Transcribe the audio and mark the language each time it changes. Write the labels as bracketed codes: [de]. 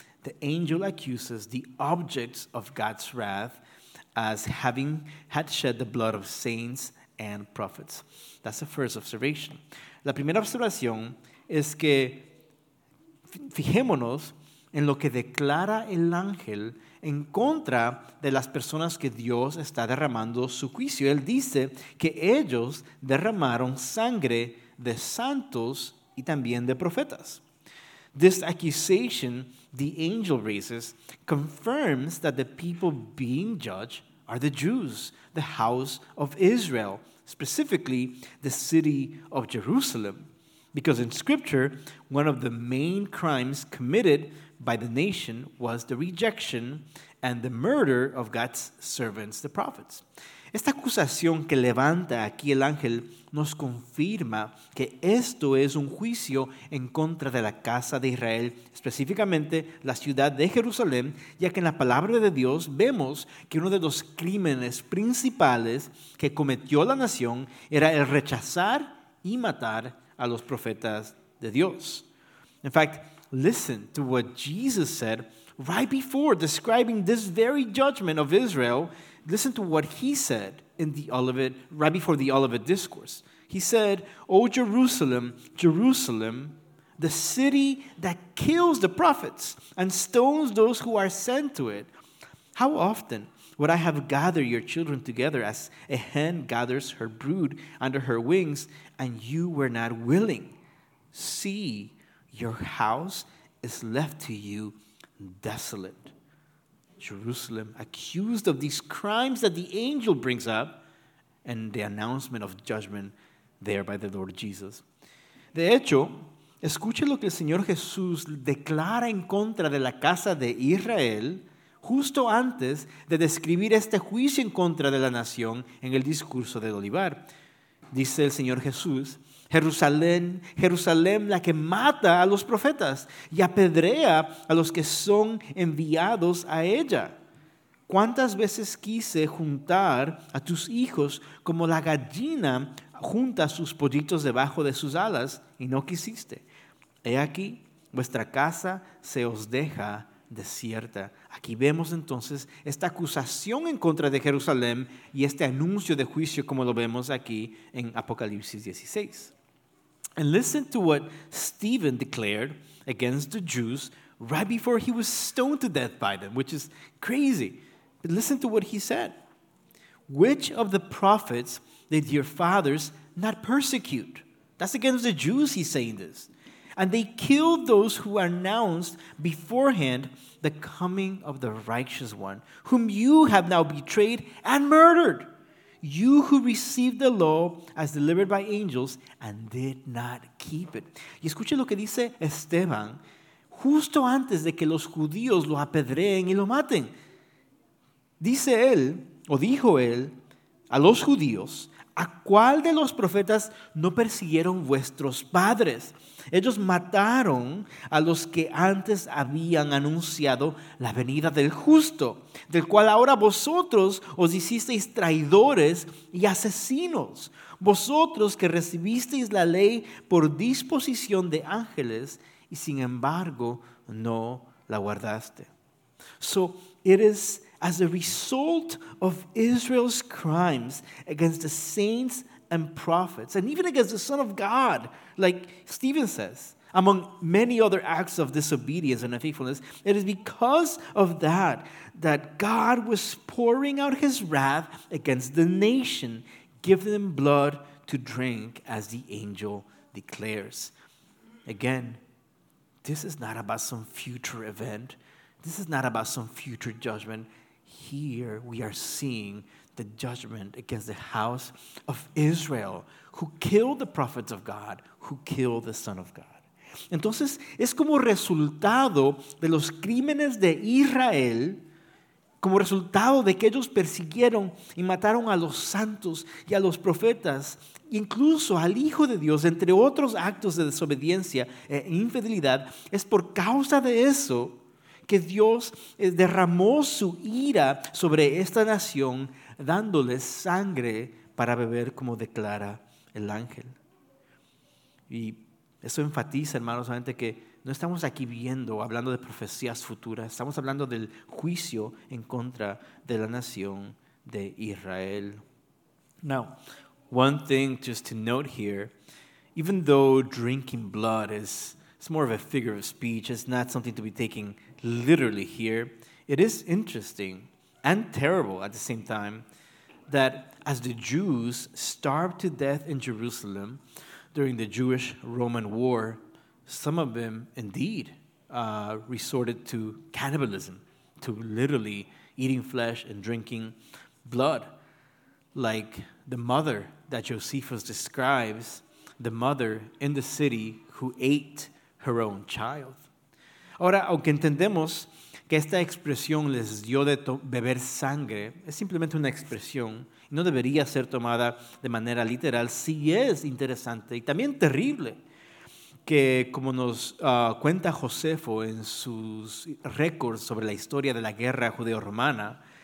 [en] The angel accuses the objects of God's wrath as having had shed the blood of saints and prophets. That's the first observation. [es] La primera observación es que fijémonos en lo que declara el ángel en contra de las personas que Dios está derramando su juicio. Él dice que ellos derramaron sangre de santos y también de profetas. [en] This accusation the angel raises confirms that the people being judged are the Jews, the house of Israel, specifically the city of Jerusalem. Because in Scripture, one of the main crimes committed by the nation was the rejection and the murder of God's servants, the prophets. [es] Esta acusación que levanta aquí el ángel nos confirma que esto es un juicio en contra de la casa de Israel, específicamente la ciudad de Jerusalén, ya que en la palabra de Dios vemos que uno de los crímenes principales que cometió la nación era el rechazar y matar a los profetas de Dios. [en] In fact, listen to what Jesus said right before describing this very judgment of Israel. Listen to what he said in the Olivet, right before the Olivet Discourse. He said, "O Jerusalem, Jerusalem, the city that kills the prophets and stones those who are sent to it. How often would I have gathered your children together as a hen gathers her brood under her wings, and you were not willing. See, your house is left to you desolate." Jerusalem, accused of these crimes that the angel brings up and the announcement of judgment there by the Lord Jesus. [es] De hecho, escuche lo que el Señor Jesús declara en contra de la casa de Israel justo antes de describir este juicio en contra de la nación en el discurso del Olivar. Dice el Señor Jesús, Jerusalén, Jerusalén, la que mata a los profetas y apedrea a los que son enviados a ella. ¿Cuántas veces quise juntar a tus hijos como la gallina junta sus pollitos debajo de sus alas y no quisiste? He aquí, vuestra casa se os deja desierta. Aquí vemos entonces esta acusación en contra de Jerusalén y este anuncio de juicio como lo vemos aquí en Apocalipsis 16. [en] And listen to what Stephen declared against the Jews right before he was stoned to death by them, which is crazy. But listen to what he said. Which of the prophets did your fathers not persecute? That's against the Jews, he's saying this. And they killed those who announced beforehand the coming of the righteous one, whom you have now betrayed and murdered. You who received the law as delivered by angels and did not keep it. [es] Y escuche lo que dice Esteban justo antes de que los judíos lo apedreen y lo maten. Dice él, o dijo él, a los judíos, ¿a cuál de los profetas no persiguieron vuestros padres? Ellos mataron a los que antes habían anunciado la venida del justo, del cual ahora vosotros os hicisteis traidores y asesinos. Vosotros que recibisteis la ley por disposición de ángeles y sin embargo no la guardaste. [en] So it is as a result of Israel's crimes against the saints and prophets, and even against the Son of God, like Stephen says, among many other acts of disobedience and unfaithfulness, it is because of that that God was pouring out his wrath against the nation, giving them blood to drink, as the angel declares. Again, this is not about some future event. This is not about some future judgment. Here we are seeing the judgment against the house of Israel, who killed the prophets of God, who killed the Son of God. [es] Entonces, es como resultado de los crímenes de Israel, como resultado de que ellos persiguieron y mataron a los santos y a los profetas, incluso al Hijo de Dios, entre otros actos de desobediencia e infidelidad, es por causa de eso que Dios derramó su ira sobre esta nación, dándoles sangre para beber, como declara el ángel. Y eso enfatiza, hermanos, solamente que no estamos aquí viendo, hablando de profecías futuras, estamos hablando del juicio en contra de la nación de Israel. [en] Now, one thing just to note here, even though drinking blood is it's more of a figure of speech. It's not something to be taken literally here. It is interesting and terrible at the same time that as the Jews starved to death in Jerusalem during the Jewish-Roman War, some of them indeed resorted to cannibalism, to literally eating flesh and drinking blood. Like the mother that Josephus describes the mother in the city who ate her own child. [es] Ahora, aunque entendemos que esta expresión les dio de beber sangre, es simplemente una expresión y no debería ser tomada de manera literal. Sí es interesante y también terrible que, como nos cuenta Josefo en sus récords sobre la historia de la guerra judeo-romana,